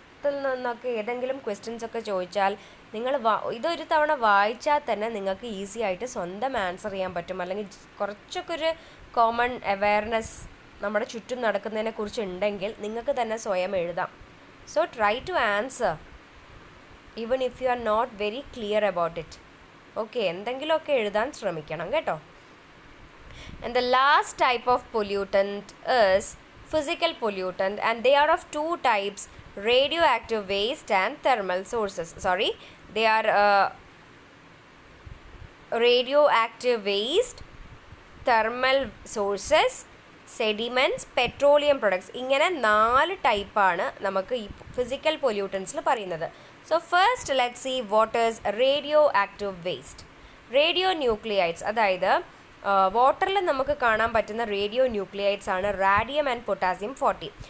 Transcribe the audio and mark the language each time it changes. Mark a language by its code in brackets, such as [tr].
[ml] പുറത്തു നിന്നൊക്കെ ഏതെങ്കിലും ക്വസ്റ്റ്യൻസ് ഒക്കെ ചോദിച്ചാൽ നിങ്ങൾ ഇതൊരു തവണ വായിച്ചാൽ തന്നെ നിങ്ങൾക്ക് ഈസി ആയിട്ട് സ്വന്തം ആൻസർ ചെയ്യാൻ പറ്റും, അല്ലെങ്കിൽ കുറച്ചൊക്കെ ഒരു കോമൺ അവയർനെസ് നമ്മുടെ ചുറ്റും നടക്കുന്നതിനെ കുറിച്ച് ഉണ്ടെങ്കിൽ നിങ്ങൾക്ക് തന്നെ സ്വയം എഴുതാം. [en] So try to answer even if you are not very clear about it. [ml] Okay, എന്തെങ്കിലുമൊക്കെ എഴുതാൻ ശ്രമിക്കണം കേട്ടോ. [en] And the last type of pollutant is physical pollutant, and they are of two types, radioactive waste and thermal sources. Sorry, they are radioactive waste, thermal sources, sediments, petroleum products. [ml] ഇങ്ങനെ നാല് ടൈപ്പാണ് നമുക്ക് ഈ physical പൊല്യൂട്ടൻസിൽ പറയുന്നത്. [en] So first let see what is radioactive waste. [ml] Radio ന്യൂക്ലിയൈറ്റ്സ്, അതായത് വാട്ടറിൽ നമുക്ക് കാണാൻ പറ്റുന്ന റേഡിയോ ന്യൂക്ലിയൈറ്റ്സ് ആണ് റാഡിയം ആൻഡ് പൊട്ടാസ്യം 40.